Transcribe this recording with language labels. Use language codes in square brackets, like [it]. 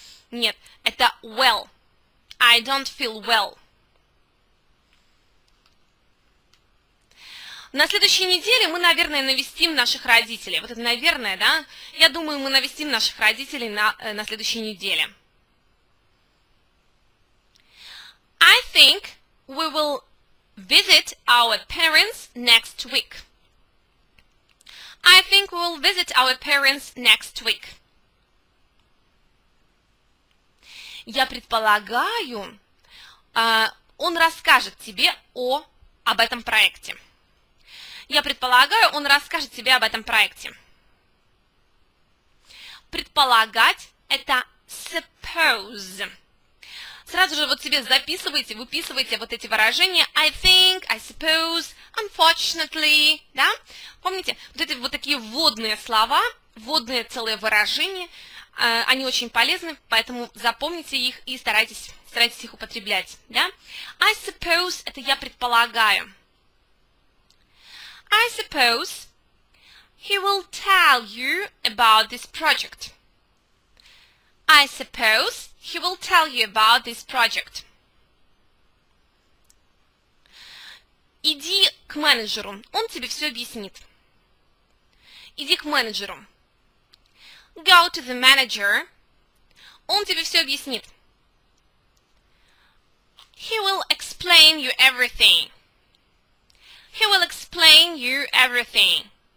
[ru] Нет, это [en] well. I don't feel well. [ru] На следующей неделе мы, наверное, навестим наших родителей. Вот это, наверное, да? Я думаю, мы навестим наших родителей на следующей неделе. I think we will visit our parents next week. I think we will visit our parents next week. Я предполагаю, он расскажет тебе об этом проекте. Я предполагаю, он расскажет тебе об этом проекте. Предполагать – это suppose. Сразу же вот себе записывайте, выписывайте вот эти выражения [en] I think, I suppose, unfortunately, [ru] да? Помните, вот эти вот такие вводные слова, вводные целые выражения, они очень полезны, поэтому запомните их и старайтесь их употреблять, да? [en] I suppose [ru] – это я предполагаю. [en] I suppose he will tell you about this project. I suppose he will tell you about this project. [ru] Иди к менеджеру, он тебе все объяснит. Иди к менеджеру. [en] Go to the manager, [ru] он тебе все объяснит. [en] He will explain you everything. He will explain you everything.